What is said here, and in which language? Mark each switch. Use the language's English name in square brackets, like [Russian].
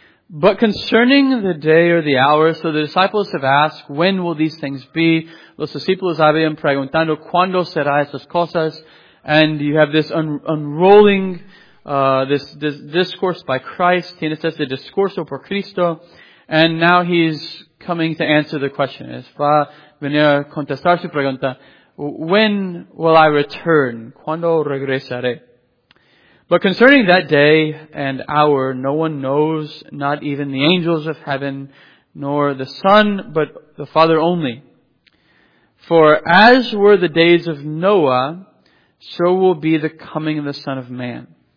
[English] But concerning the day or the hour, so the disciples have asked, when will these things be? [Spanish] Los discípulos habían preguntando, ¿cuándo será estas cosas? [English] And you have this unrolling, this discourse by Christ. [Spanish] Tienes este discurso por Cristo. [English] And now he's coming to answer the question. [Spanish] Es va a venir a contestar su pregunta. [English] When will I return? [Spanish] ¿Cuándo regresaré? [English] But concerning that day and hour, no one knows, not even the angels of heaven, nor the Son, but the Father only. For as were the days of Noah, so will be the coming of the Son of Man.